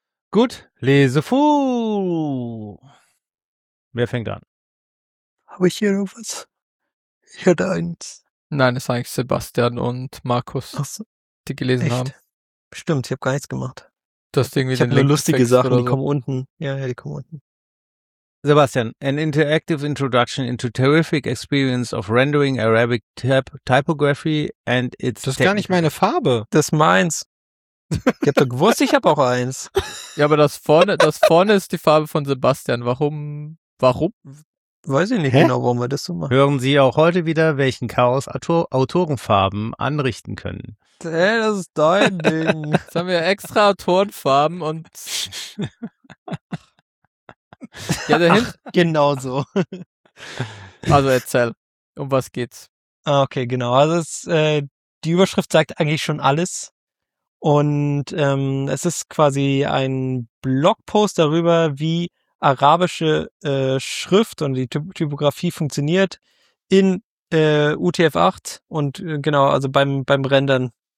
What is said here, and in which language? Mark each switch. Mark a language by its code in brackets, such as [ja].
[de] Gut, lese vor. Wer fängt an? Habe ich hier noch was? Ich hatte eins. Nein, es war eigentlich Sebastian und Markus, die gelesen haben. Stimmt, ich habe gar nichts gemacht. Du hast irgendwie ich habe nur lustige Sachen, die kommen unten. Ja, die kommen unten. [en] Sebastian, an interactive introduction into terrific experience of rendering Arabic typography and its. [de] Das ist gar nicht meine Farbe. Das ist meins. Ich hab doch gewusst, ich habe auch eins. Ja, aber das vorne ist die Farbe von Sebastian. Warum? Weiß ich nicht genau, warum wir das so machen. Hören Sie auch heute wieder, welchen Chaos Autorenfarben anrichten können. Hey, das ist dein Ding. Jetzt haben wir extra Autorenfarben und. Ja, dahin. Ach, genau so. Also erzähl, um was geht's? Okay, genau. Also die Überschrift sagt eigentlich schon alles. Und es ist quasi ein Blogpost darüber, wie arabische Schrift und die Typografie funktioniert in UTF-8 und genau, also beim Rendern.